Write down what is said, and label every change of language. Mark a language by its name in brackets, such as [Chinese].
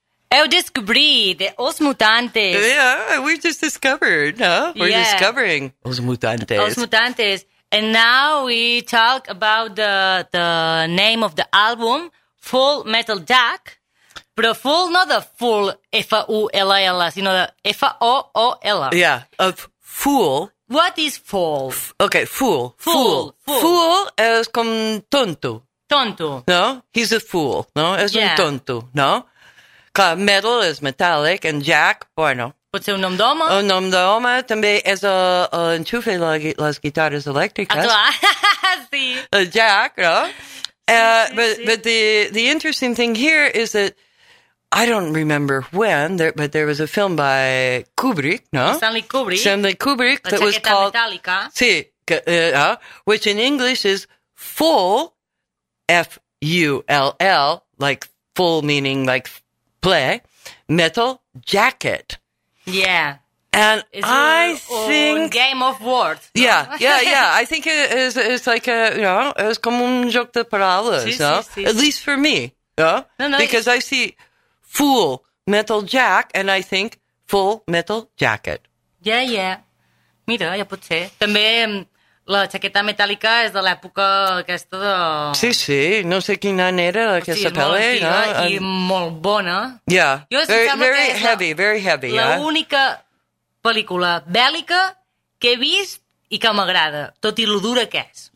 [Portuguese] Eu descobri de Os Mutantes. [English] Yeah, we just discovered, huh? We're discovering Os Mutantes. Os Mutantes. And now we talk about the name of the album, Full Metal Jack. [Spanish] Pero full, no [English] the full, [Spanish] F-U-L-L, sino [English] the F-O-O-L. Yeah, of fool. What is fool? [Spanish] Fool. Fool. Fool es como tonto. Tonto. [English] No? He's a fool, no? [Spanish] Es un tonto, no? [English] Metal is metallic, and Jack, [Spanish] bueno. [Catalan] Pot ser un nom d'home. Un nom d'home, també és el enxufe les guitarres elèctriques. Ah, clar, sí. Jack, no? [English] But the interesting thing here is that I don't remember when, but there was a film by Kubrick, no? Stanley Kubrick. Stanley Kubrick, that was called... [Spanish] La chaqueta metálica. Sí, [English] which in English is full, F-U-L-L, like full meaning like play, metal jacket. Yeah. And I think... Game of words. No? Yeah. I think it's like a, you know, it's [Spanish] como un [English] joke [Spanish] de palabras, sí, no? Sí, sí, [English] at least for me, no? Because I see... Full Metal Jack, and I think Full Metal Jacket. Yeah. [Catalan] Mira, ja pot ser. També la jaqueta metàl·lica és de l'època aquesta de... Sí. No sé quin any era aquesta pel·le. Sí, molt antiga i molt bona. [English] Yeah. [Catalan] Jo, [English] very heavy. [Catalan] L'única pel·lícula bèl·lica que he vist i que m'agrada, tot i lo dura que és.